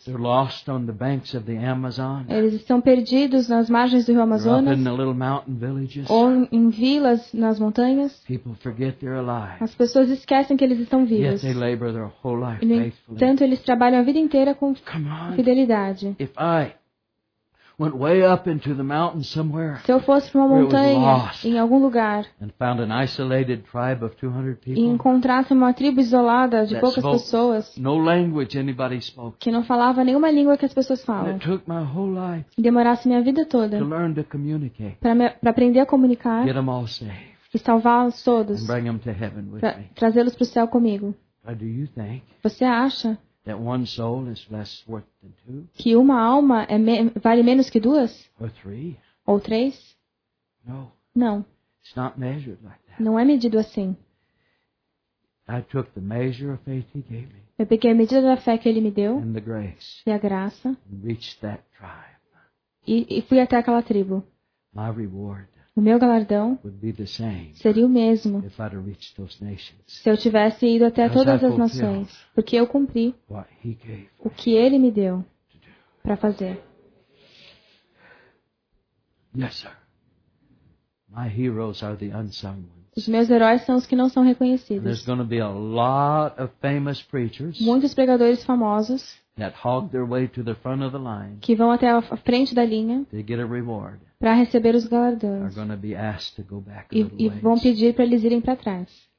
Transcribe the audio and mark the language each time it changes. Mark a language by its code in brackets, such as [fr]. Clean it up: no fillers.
[en] They're lost on the banks of the Amazon. [pt] Eles estão perdidos nas margens do rio Amazonas. [en] They're up in the little mountain villages. [pt] Ou em vilas nas montanhas. [en] People forget they're alive. [pt] As pessoas esquecem que eles estão vivos. [en] Yet they labor their whole life faithfully. [pt] Tanto eles trabalham a vida inteira com fidelidade. [en] If I went way up into the mountain somewhere, [pt] se eu fosse para uma montanha [en] lost, [pt] em algum lugar [en] and found an isolated tribe of 200 people, [pt] e encontrasse uma tribo isolada de poucas [en] spoke, [pt] pessoas [en] no language anybody spoke, [pt] que não falava nenhuma língua que as pessoas falam [en] and it took my whole life, [pt] e demorasse minha vida toda para aprender a comunicar [en] get them all saved, [pt] e salvá-los todos [en] and bring them to heaven with [pt] pra, [en] me. [pt] Trazê-los para o céu comigo. [en] Do you think? [pt] Você acha [en] that one soul is less worth than two? [pt] Que uma alma é vale menos que duas? [en] Or three? [pt] Ou três? [en] No. [pt] Não. [en] It's not measured like that. [pt] Não é medido assim. [en] I took the measure of faith he gave me. [pt] Eu peguei a medida da fé que ele me deu. [en] And the grace. [pt] E a graça. [en] And reached that tribe. [pt] E fui até aquela tribo. [en] My reward. [pt] O meu galardão [en] would be the same [pt] seria o mesmo [en] if I'd reached those nations. [pt] Se eu tivesse ido até as todas as nações. Porque eu cumpri [en] what he gave [pt] o que ele me deu para fazer. [en] Yes, sir. My heroes are the unsung ones. [pt] Os meus heróis são os que não são reconhecidos. [en] There's going to be a lot of famous preachers. [pt] Muitos pregadores famosos. [en] That hog their way to the front of the line, [pt] que vão até a frente da linha para receber os galardões e vão pedir para eles irem para trás.